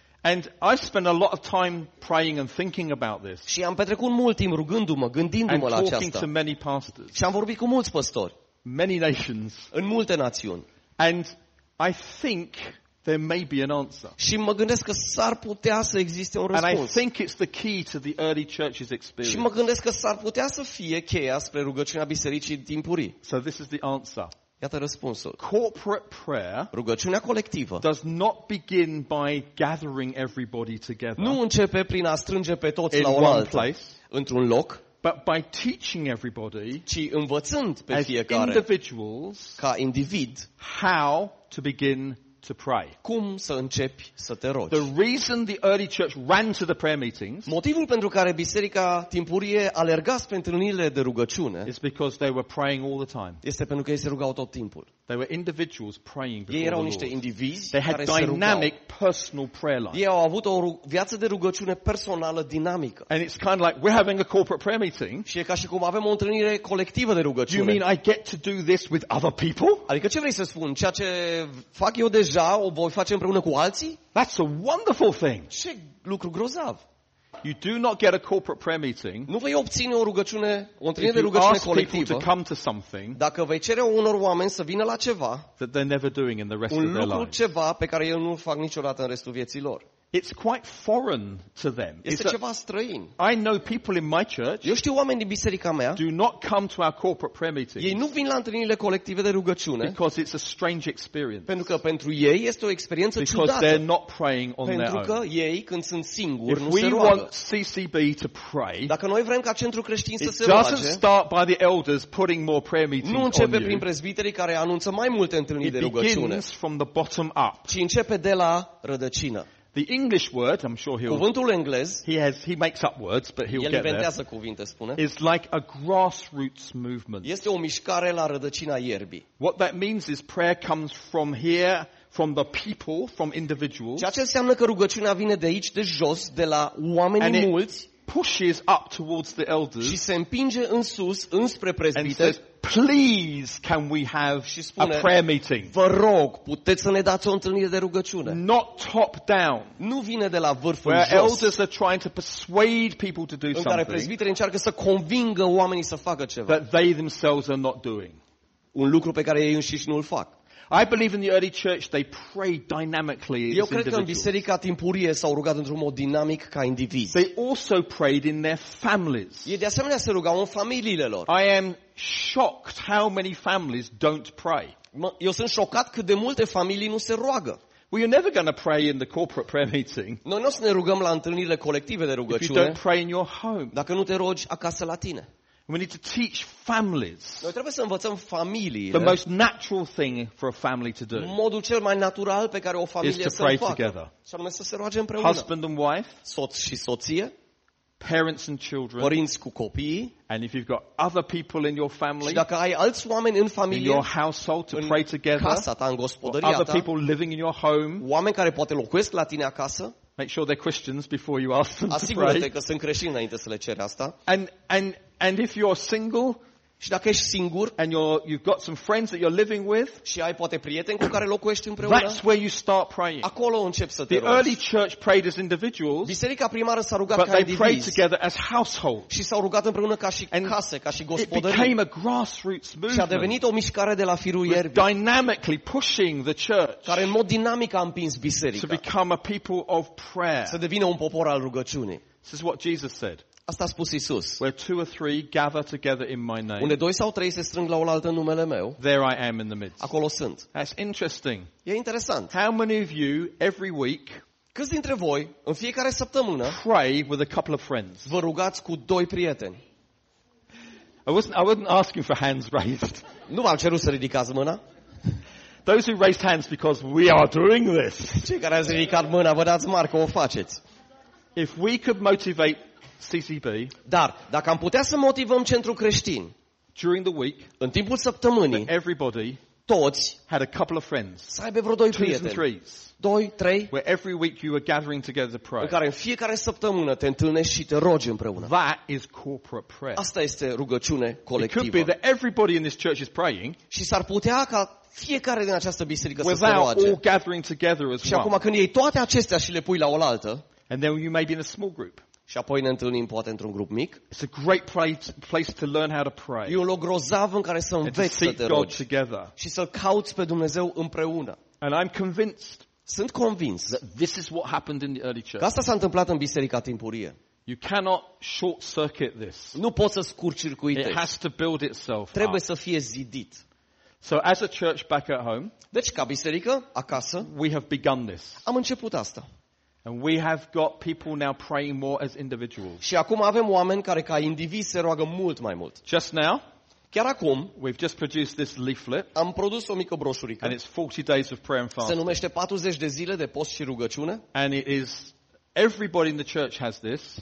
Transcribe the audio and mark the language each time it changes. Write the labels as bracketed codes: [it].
[en] And I spent a lot of time praying and thinking about this. [ro] Și am petrecut mult timp rugându-mă, gândindu-mă la aceasta. [en] And talking to many pastors. [ro] Și am vorbit cu mulți păstori. [en] Many nations. [ro] În multe națiuni. [en] And I think there may be an answer. [ro] Și mă gândesc că s-ar putea să existe un răspuns. [en] And I think it's the key to the early church's experience. [ro] Și mă gândesc că s-ar putea să fie cheia spre rugăciunea bisericii timpurii. [en] So this is the answer. [ro] Iată răspunsul. [en] Corporate prayer, [ro] rugăciunea colectivă, [en] does not begin by gathering everybody together. [ro] Nu începe prin a strânge pe toți la o altă, într-un loc. [en] But by teaching everybody, [ro] ci învățând pe [en] as [ro] fiecare, [en] individuals, [ro] ca individ, [en] how to begin to pray. [ro] Cum să începi să te rogi? [en] The reason the early church ran to the prayer meetings. [ro] Motivul pentru care biserica timpurie alerga spre întâlnirile de rugăciune. [en] Is because they were praying all the time. [ro] Este pentru că ei se rugau tot timpul. [en] They were individuals praying before the Lord. [ro] Ei erau niște indivizi care se rugau. [en] They had dynamic personal prayer life. [ro] Ei au avut o viață de rugăciune personală dinamică. [en] And it's kind of like we're having a corporate prayer meeting. [ro] Și e ca și cum avem o întâlnire colectivă de rugăciune. [en] You mean I get to do this with other people? [ro] Adică ce vrei să spun? Ceea ce fac eu deja o voi face împreună cu alții? [en] That's a wonderful thing. [ro] Ce lucru grozav. [en] You do not get a corporate prayer meeting. [ro] Nu vei obține o rugăciune, o întâlnire de rugăciune colectivă. [en] To come to something. [ro] Dacă vei cere unor oameni să vină la ceva. [en] That they're never doing in the rest of their lives. [ro] Un lucru ceva pe care eu nu fac niciodată în restul vieții lor. [en] It's quite foreign to them. [ro] Este ceva străin. [en] I know people in my church. [ro] Eu știu oameni din biserica mea. [en] Do not come to our corporate prayer meetings. [ro] Ei nu vin la întâlnirile colective de rugăciune. [en] Because it's a strange experience. [ro] Pentru că pentru ei este o experiență [en] because [ro] ciudată. [en] Because they're not praying on [ro] pentru [en] their own. [ro] Pentru că ei când sunt singuri [en] if [ro] nu se roagă. [en] If we want CCB to pray. [ro] Dacă noi vrem ca centrul creștin să se roage. [en] It doesn't start by the elders putting more prayer meetings on you. [ro] Nu începe prin prezbiterii care anunță mai multe întâlniri de rugăciune. [en] It begins from the bottom up. [ro] Ci începe de la rădăcină. [en] The English word, I'm sure he'll. [ro] Cuvântul englez. [en] He makes up words, but he'll [ro] el [en] get there. [ro] El inventează cuvinte, spune. [en] It's like a grassroots movement. [ro] Este o mișcare la rădăcina ierbii. [en] What that means is prayer comes from here, from the people, from individuals. [ro] Ceea ce înseamnă că rugăciunea vine de aici, de jos, de la oamenii [en] and [ro] mulți. [en] Pushes up towards the elders. [ro] Și se împinge în sus, înspre prezbiteri. [en] Please can we have [ro] spune, [en] a prayer meeting? [ro] Vă rog, puteți să ne dați o întâlnire de rugăciune. [en] Not top down. [ro] Nu vine de la vârful [en] where [ro] jos. [en] Where elders are trying to persuade people to do something. [ro] În care prezbiterii încearcă să convingă oamenii să facă ceva. [en] That they themselves are not doing. [ro] Un lucru pe care ei înșiși nu-l fac. [en] I believe in the early church they prayed dynamically as individuals. [ro] Eu cred că în biserica timpurie s-au rugat într-un mod dinamic ca indivizi. [en] They also prayed in their families. [ro] Ei de asemenea se rugau în familiile lor. [en] I am shocked how many families don't pray. [ro] Eu sunt șocat cât de multe familii nu se roagă. [en] Well, you're never going to pray in the corporate prayer meeting. [ro] Noi nu o să ne rugăm la întâlnirile colective de rugăciune. [en] If you don't pray in your home. [ro] Dacă nu te rogi acasă la tine. [en] We need to teach families. [ro] Noi trebuie să învățăm familiile. [en] The most natural thing for a family to do. [ro] Modul cel mai natural pe care o familie să-l facă. Și anume să se roage împreună. [en] Husband and wife. [ro] Soț și soție. [en] Parents and children. [ro] Părinți cu copii. [en] And if you've got other people in your family. [ro] Și dacă ai alți oameni în familie. [en] In your household to pray together. [ro] În casa ta, în gospodăria ta. [en] Other people living in your home. [ro] Oameni care poate locuiesc la tine acasă. [en] Make sure they're Christians before you ask them to pray. [ro] Asigură-te că sunt creștini înainte să le ceri asta. [en] And if you're single, [ro] și dacă ești singur, [en] and you've got some friends that you're living with, [ro] și ai poate prieteni cu care locuiești împreună, [en] that's where you start praying. [ro] Acolo începi să te rogi. [en] The early church prayed as individuals. [ro] Biserica primară s-a rugat ca indivizi. [en] But they prayed together as household. [ro] Și s-au rugat împreună ca și case, ca și gospodării. [en] It became a grassroots movement. [ro] Și a devenit o mișcare de la firul ierbii. [en] Dynamically pushing the church. [ro] Care în mod dinamic a împins biserica. [en] To become a people of prayer. [ro] Să devină un popor al rugăciunii. [en] This is what Jesus said. [ro] Asta a spus Iisus. [en] Where two or three gather together in my name. [ro] Unde doi sau trei se strâng la olaltă în numele meu. [en] There I am in the midst. [ro] Acolo sunt. [en] That's interesting. [ro] E interesant. [en] How many of you every week? [ro] Câți dintre voi în fiecare săptămână? [en] Pray with a couple of friends. [ro] Vă rugați cu doi prieteni. [en] I wasn't asking for hands raised. [ro] Nu v-am cerut să ridicați mâna. [en] Those who raised hands because we are doing this. [ro] Cei care ați ridicat mâna, vă dați marcă, o faceți. [en] If we could motivate CCB. [ro] Dar dacă am putea să motivăm centrul creștin [en] during the week, [ro] în timpul săptămânii, [en] everybody [ro] toți [en] had a couple of friends. [ro] Să aibă vreo doi prieteni. Doi, trei. [en] Where every week you were gathering together to pray. [ro] În care în fiecare săptămână te întâlnești și te rogi împreună. [en] That is corporate prayer. [ro] Asta este rugăciune colectivă. [en] It could be that everybody in this church is praying. [ro] Și s-ar putea ca fiecare din această biserică să se roage. [en] All gathering together as one. [ro] Și acum când iei toate acestea și le pui la oaltă, [en] and then you may be in a small group. [ro] Și apoi ne întâlnim poate într-un grup mic. [en] It's a great place to learn how to pray. [ro] E un loc grozav în care să înveți să te rogi. [en] Together. [ro] Și să-L cauți pe Dumnezeu împreună. [en] And I'm convinced. [ro] Sunt convins. [en] That this is what happened in the early church. [ro] Că asta s-a întâmplat în biserica timpurie. [en] You cannot short-circuit this. [ro] Nu poți să scurt-circuitezi. [en] It has to build itself. [ro] Trebuie [en] up. [ro] Să fie zidit. [en] So as a church back at home. [ro] Deci ca biserică acasă. [en] We have begun this. [ro] Am început asta. [en] And we have got people now praying more as individuals. [ro] Și acum avem oameni care ca indivizi se roagă mult mai mult. [en] Just now, [ro] Chiar acum, [en] we've just produced this leaflet. [ro] Am produs o mică broșurică. [en] And it's 40 days of prayer and fasting. [ro] Se numește 40 de zile de post și rugăciune. [en] And it is everybody in the church has this.